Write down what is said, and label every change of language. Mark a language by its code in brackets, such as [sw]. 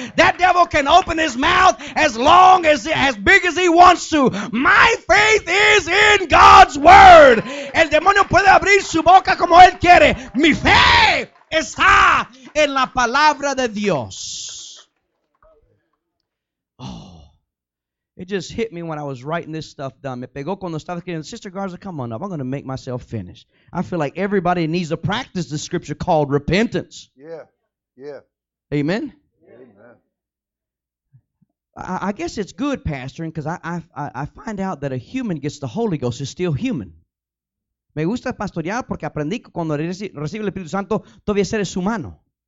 [en] That devil can open his mouth as long as big as he wants to. My faith is in God's word. [es] El demonio puede abrir su boca como él quiere. Mi fe está en la palabra de Dios. [en] It just hit me when I was writing this stuff down. [es] Me pegó cuando estaba escribiendo. [en] Sister Garza, come on up. I'm going to make myself finish. I feel like everybody needs to practice the scripture called repentance. Yeah. Yeah. Amen? Amen. I guess it's good, pastoring, because I find out that a human gets the Holy Ghost is still human. [es] Me gusta pastorear porque aprendí que cuando recibe el Espíritu Santo, todavía eres humano.